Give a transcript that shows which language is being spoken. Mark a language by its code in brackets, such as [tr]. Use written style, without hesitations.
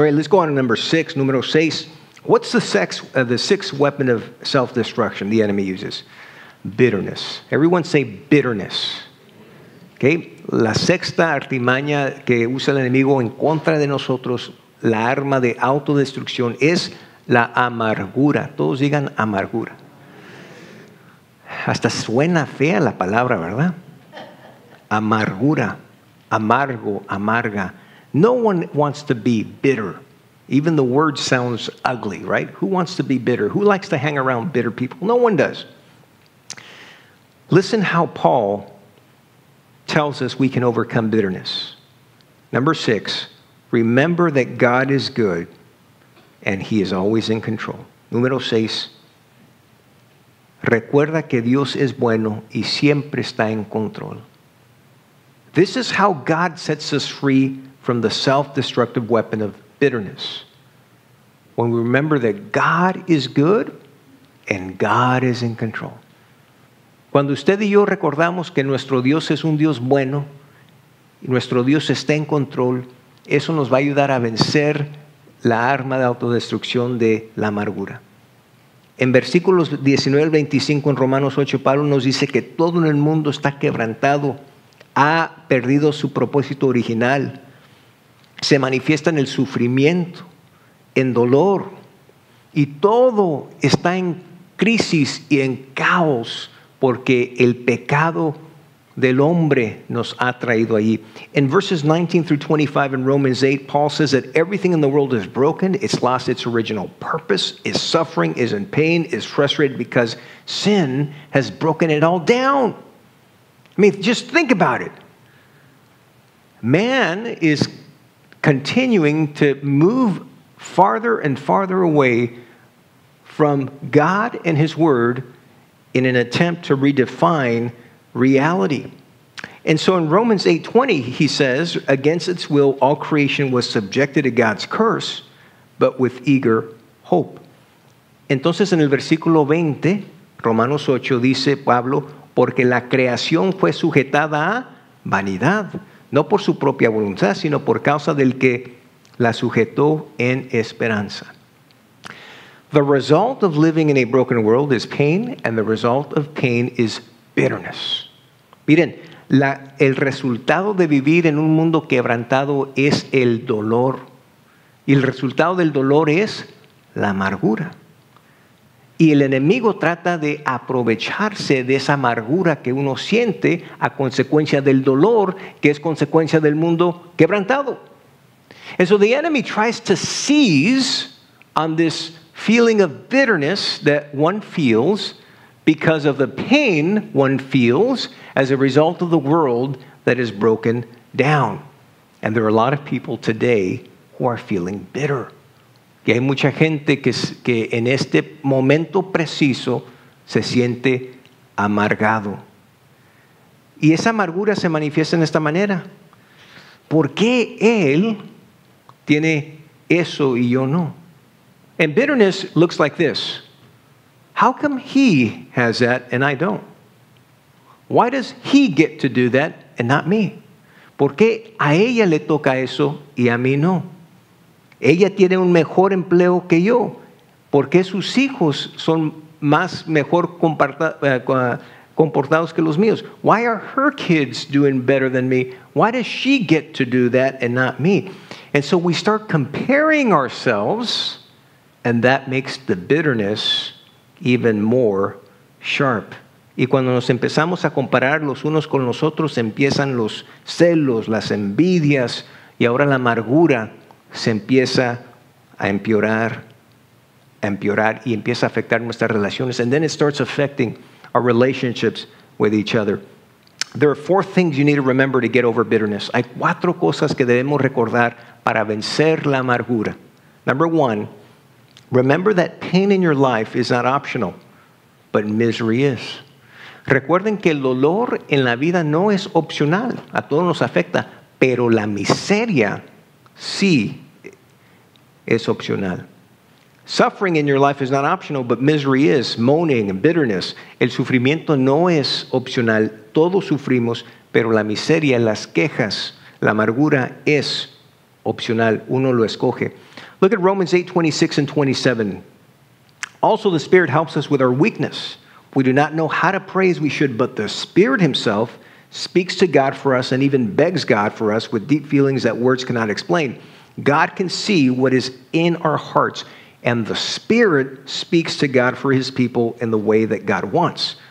[en] All right, let's go on to number six. [es] Número seis. [en] What's the sixth weapon of self-destruction the enemy uses? Bitterness. Everyone say bitterness. Okay? [es] La sexta artimaña que usa el enemigo en contra de nosotros, la arma de autodestrucción, es la amargura. Todos digan amargura. Hasta suena fea la palabra, ¿verdad? Amargura. Amargo, amarga. [en] No one wants to be bitter. Even the word sounds ugly, right? Who wants to be bitter? Who likes to hang around bitter people? No one does. Listen how Paul tells us we can overcome bitterness. Number six, remember that God is good and he is always in control. [es] Número seis, recuerda que Dios es bueno y siempre está en control. [en] This is how God sets us free from the self-destructive weapon of bitterness. When we remember that God is good and God is in control. [es] Cuando usted y yo recordamos que nuestro Dios es un Dios bueno y nuestro Dios está en control, eso nos va a ayudar a vencer la arma de autodestrucción de la amargura. En versículos 19 al 25 en Romanos 8, Pablo nos dice que todo en el mundo está quebrantado, ha perdido su propósito original. Se manifiesta en el sufrimiento, en dolor, y todo está en crisis y en caos porque el pecado del hombre nos ha traído allí. [en] In verses 19 through 25 in Romans 8, Paul says that everything in the world is broken, it's lost its original purpose, is suffering, is in pain, is frustrated because sin has broken it all down. I mean, just think about it. Man is continuing to move farther and farther away from God and his word in an attempt to redefine reality. And so in Romans 8:20, he says, against its will, all creation was subjected to God's curse, but with eager hope. [es] Entonces en el versículo 20, Romanos 8, dice Pablo, porque la creación fue sujetada a vanidad, no por su propia voluntad, sino por causa del que la sujetó en esperanza. [en] The result of living in a broken world is pain, and the result of pain is bitterness. [es] Miren, el resultado de vivir en un mundo quebrantado es el dolor. Y el resultado del dolor es la amargura. Y el enemigo trata de aprovecharse de esa amargura que uno siente a consecuencia del dolor, que es consecuencia del mundo quebrantado. [en] And so the enemy tries to seize on this feeling of bitterness that one feels because of the pain one feels as a result of the world that is broken down. And there are a lot of people today who are feeling bitter. [es] Y hay mucha gente que en este momento preciso se siente amargado. Y esa amargura se manifiesta en esta manera. ¿Por qué él tiene eso y yo no? [en] And bitterness looks like this. How come he has that and I don't? Why does he get to do that and not me? [es] ¿Por qué a ella le toca eso y a mí no? Ella tiene un mejor empleo que yo. ¿Por qué sus hijos son más mejor comportados que los míos? [en] Why are her kids doing better than me? Why does she get to do that and not me? And so we start comparing ourselves, and that makes the bitterness even more sharp. [es] Y cuando nos empezamos a comparar los unos con los otros, empiezan los celos, las envidias, y ahora la amargura se empieza a empeorar y empieza a afectar nuestras relaciones. [en] And then it starts affecting our relationships with each other. There are four things you need to remember to get over bitterness. [es] Hay cuatro cosas que debemos recordar para vencer la amargura. [en] Number one, remember that pain in your life is not optional, but misery is. [es] Recuerden que el dolor en la vida no es opcional. A todos nos afecta, pero la miseria sí es opcional. [en] Suffering in your life is not optional, but misery is. Moaning and bitterness. [es] El sufrimiento no es opcional. Todos sufrimos, pero la miseria, las quejas, la amargura es opcional. Uno lo escoge. [en] Look at Romans 8, 26 and 27. Also, the Spirit helps us with our weakness. We do not know how to pray as we should, but the Spirit himself speaks to God for us and even begs God for us with deep feelings that words cannot explain. God can see what is in our hearts, and the Spirit speaks to God for his people in the way that God wants.